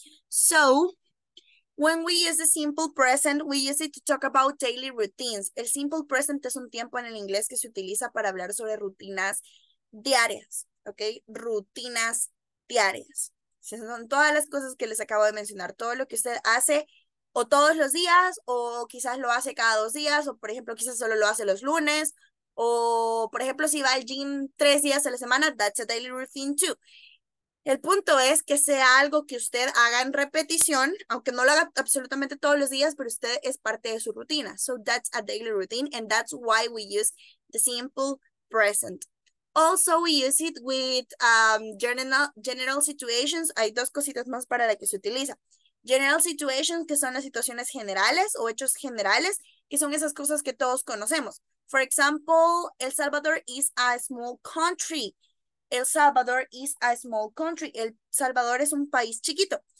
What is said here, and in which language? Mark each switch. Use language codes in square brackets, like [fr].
[en] So, when we use the simple present, we use it to talk about daily routines. [es] El simple present es un tiempo en el inglés que se utiliza para hablar sobre rutinas diarias, ¿ok? Rutinas diarias. Son todas las cosas que les acabo de mencionar, todo lo que usted hace o todos los días, o quizás lo hace cada dos días, o por ejemplo, quizás solo lo hace los lunes, o por ejemplo, si va al gym tres días a la semana, [en] that's a daily routine too. [es] El punto es que sea algo que usted haga en repetición, aunque no lo haga absolutamente todos los días, pero usted es parte de su rutina. [en] So that's a daily routine, and that's why we use the simple present. Also, we use it with general situations. [es] Hay dos cositas más para la que se utiliza. [en] General situations, [es] que son las situaciones generales o hechos generales, que son esas cosas que todos conocemos. [en] For example, El Salvador is a small country. El Salvador is a small country. [es] El Salvador es un país chiquito.